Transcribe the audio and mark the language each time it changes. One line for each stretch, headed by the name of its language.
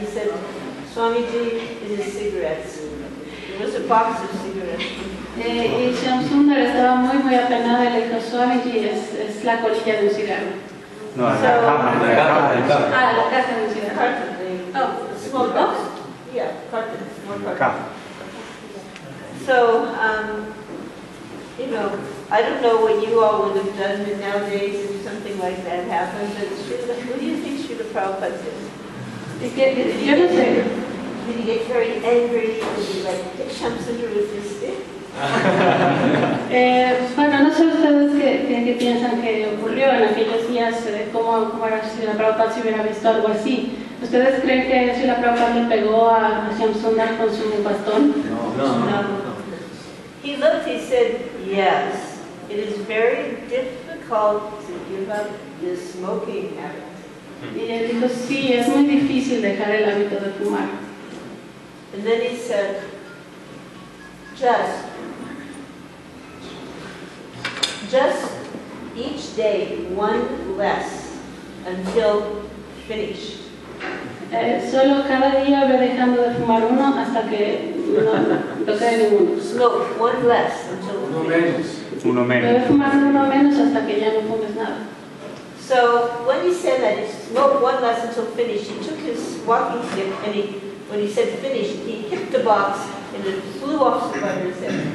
English: He said, Swamiji, it is cigarettes. It was a box of cigarettes.
Spanish: Y Shamsundar estaba muy, muy apenado. Le dijo, Swamiji, es la colilla de un cigarro.
English: No, so,
Spanish: la caja de un cigarro. Ah, la caja de un
English: cigarro. Oh, small box? Yeah, carton. Small carton. So, you know, I don't know what you all would have done, but nowadays if something like that happened, but who do you think Srila Prabhupada did? Did he get very angry? Did he like hit Shamsundar with his stick?
Spanish: Bueno, no sé ustedes qué piensan que ocurrió en aquellos días, cómo era si la Prabhupada si hubiera visto algo así. ¿Ustedes creen que si la Prabhupada le pegó a Shamsundar con su bastón? No.
English: He looked, he said, yes, it is very difficult to give up this smoking habit.
Spanish: Y él dijo, sí, es muy difícil dejar el hábito de fumar.
English: And then he said, just. Just each day, one less until finished.
Spanish: Solo cada día voy dejando de fumar uno hasta que no toque ninguno.
English: Smoke, one less until
Spanish: finished. Uno menos. Voy fumando uno menos hasta que ya no fumes nada.
English: So when he said that, smoke one less until finished, he took his walking stick and when he said finished, he hit the box and it flew off the front of his head.